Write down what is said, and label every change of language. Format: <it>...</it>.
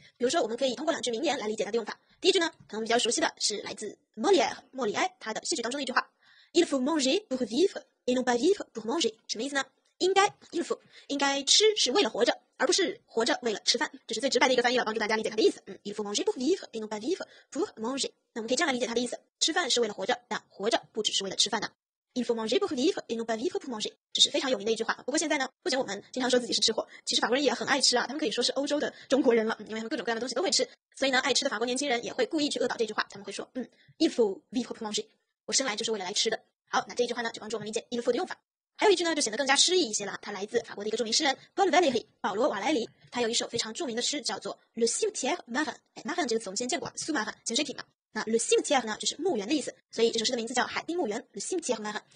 <zh>比如说我们可以通过两句名言来理解它的用法。第一句呢可能比较熟悉的是来自莫里埃他的戏剧当中的一句话，</zh> <fr>il faut manger pour vivre et non pas vivre pour manger，</fr> <zh>什么意思呢？应该 il faut 应该吃是为了活着，而不是活着为了吃饭，这是最直白的一个翻译了，帮助大家理解它的意思。</zh> <fr>Il faut manger pour vivre et non pas vivre pour manger，</fr> <zh>那我们可以这样来理解它的意思，吃饭是为了活着，但活着不只是为了吃饭的。</zh> <fr>Il faut manger pour vivre et non pas vivre pour manger，</fr> <zh>这是非常有名的一句话。不过现在呢不仅我们经常说自己是吃货，其实法国人也很爱吃啊，他们可以说是欧洲的中国人了，因为他们各种各样的东西都会吃，所以呢爱吃的法国年轻人也会故意去恶搞这句话，他们会说</zh> <fr>Il faut vivre pour manger，</fr> <zh>我生来就是为了来吃的。好，那这句话呢就帮助我们理解 il faut 的用法。还有一句呢就显得更加诗意一些了，它来自法国的一个著名诗人 Paul Valéry， 保罗瓦莱里，他有一首非常著名的诗叫做 Le cimetière marin， marin 这个词我们先见过，苏马汉潜水艇嘛，那 Le cimetière 呢就是墓园的意思，所以这首诗的名字叫海滨墓园 Le cimetière marin。</zh>